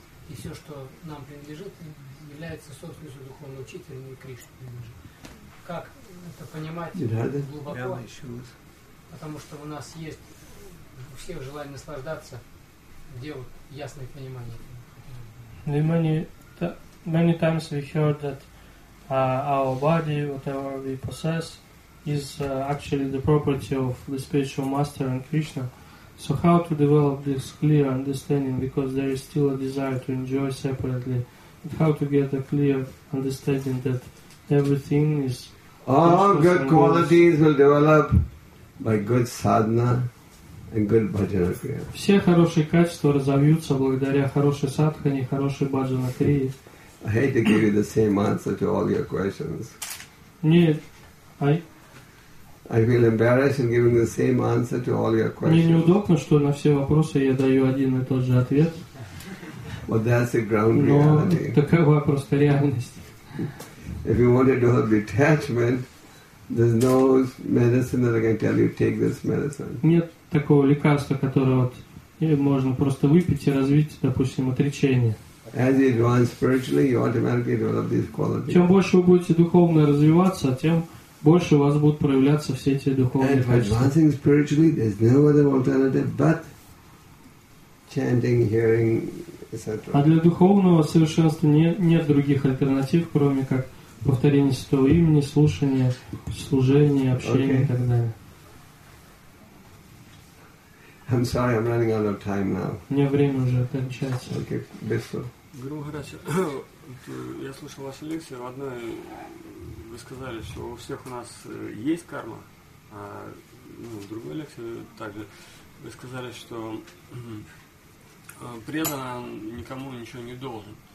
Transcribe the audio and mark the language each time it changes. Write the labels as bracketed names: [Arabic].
[Russian] и все, что нам принадлежит, является собственностью духовного учителя, не Кришны принадлежит. Как это понимать глубоко? Потому что у нас есть у всех желание наслаждаться, где вот ясное понимание. [English] Many times we heard that our body, whatever we possess, is actually the property of the spiritual master and Krishna. So how to develop this clear understanding, because there is still a desire to enjoy separately, and how to get a clear understanding that everything is... All good qualities will develop by good sadhana and good bhajana kriya. [Russian] Все хорошие качества разовьются благодаря хорошей садхане и хорошей бхаджана крии. [English] I hate to give you the same answer to all your questions. [Russian] Нет, [English] I feel embarrassed in giving the same answer to all your questions. [Russian] Мне неудобно, что на все вопросы я даю один и тот же ответ. [English] But that's the ground reality. [Russian] Но такова просто реальность. [English] If you want to do a detachment, there's no medicine that I can tell you take this medicine. [Russian] Нет такого лекарства, которое вот можно просто выпить и развить, допустим, отречение. [English] As you advance spiritually, you automatically develop these qualities. [Russian] Чем больше вы будете духовно развиваться, тем больше у вас будут проявляться все эти духовные качества. [English] And advancing spiritually, there's no other alternative but chanting, hearing, etc. [Russian] А для духовного совершенствования нет других альтернатив, кроме как повторение святого имени, слушание, служение, общение и так далее. [English] I'm sorry, I'm running out of time now. [Russian] Мне время уже кончается. [English] Okay, Бисо. [Russian] Гуру Махарадж, я слушал вашу лекцию. В одной вы сказали, что у всех у нас есть карма, а в другой лекции также вы сказали, что преданный никому ничего не должен.